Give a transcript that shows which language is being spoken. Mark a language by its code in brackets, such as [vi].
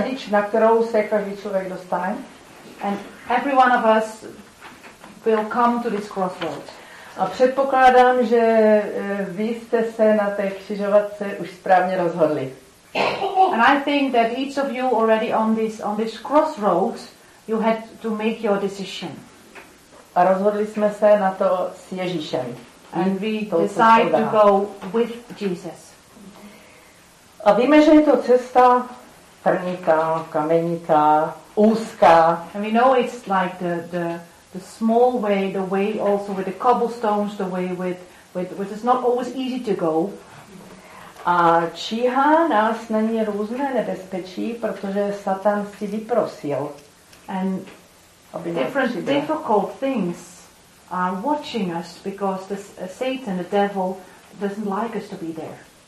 [cs] Na kterou se každý člověk dostane. [en] And every one of us will come to this crossroad. [cs] A předpokládám, že vy jste se na té křižovatce už správně rozhodli. [en] And I think that each of you already on this crossroads you had to make your decision. [cs] A rozhodli jsme se na to s Ježíšem. [en] And we decide to go with Jesus. [cs] A víme, že je to cesta trnitá, kamenitá, úzká. [en] And we know it's like the small way, the way also with the cobblestones, the way with it's not always easy to go. [cs] A číhá nás na ně různé nebezpečí, protože Satan si vyprosil. [en] And different difficult things are watching us because the Satan, the devil, doesn't like us to be there.